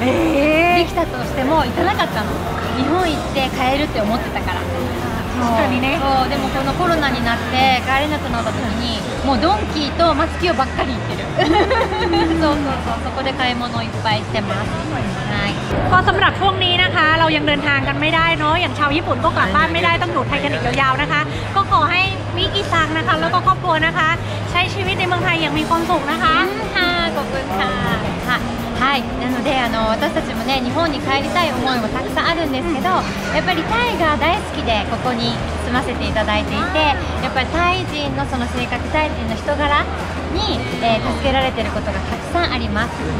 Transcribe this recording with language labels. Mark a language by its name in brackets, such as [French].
[Japanese] できたとしても行かなかったの。日本行って買えるって思ってたから。確かにね。そう、でもこのコロナになって帰れなくなった時にもうドンキーとマツキヨばっかり行ってる。そうそうそう、そこで買い物いっぱいしてます。 [Thai] ก็สำหรับช่วงนี้นะคะเรายังเดินทางกันไม่ได้เนาะอย่างชาวญี่ปุ่นก็กลับบ้านไม่ได้ต้องอยู่ไทยกันอีกยาวๆนะคะก็ขอให้มิกิซังนะคะแล้วก็ครอบครัวนะคะใช้ชีวิตในเมืองไทยอย่างมีความสุขนะคะ ค่ะขอบคุณค่ะค่ะ [Japanese] はい、なので私たちもね日本に帰りたい思いもたくさんあるんですけど、うん、やっぱりタイが大好きでここに住ませていただいていて、やっぱりタイ人のその性格、タイ人の人柄に、助けられていることがたくさんあります。